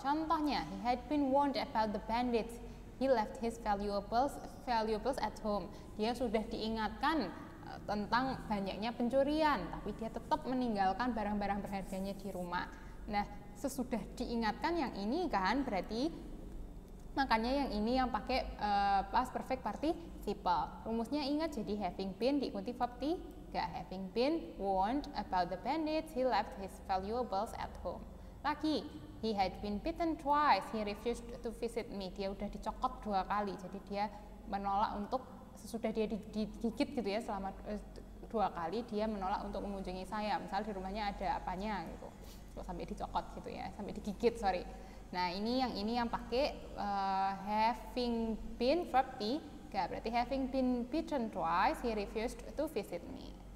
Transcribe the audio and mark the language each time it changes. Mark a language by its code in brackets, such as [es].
[en] Contohnya, he had been warned about the bandits. He left his valuables at home. [id] Dia sudah diingatkan tentang banyaknya pencurian, tapi dia tetap meninggalkan barang-barang berharganya di rumah. Nah, sesudah diingatkan yang ini kan, berarti makanya yang ini yang pakai past perfect participle. Rumusnya ingat, jadi having been diikuti verb 3. [en] Having been warned about the bandits, he left his valuables at home. Lagi, he had been bitten twice, he refused to visit me. [id] Dia udah dicokot dua kali, jadi dia menolak untuk, sesudah dia digigit gitu ya, selama dua kali dia menolak untuk mengunjungi saya. Misal di rumahnya ada apanya gitu, sampai dicokot gitu ya, sampai digigit, sorry. Nah, ini yang pakai [en] having been verb 3, berarti having been bitten twice, he refused to visit me.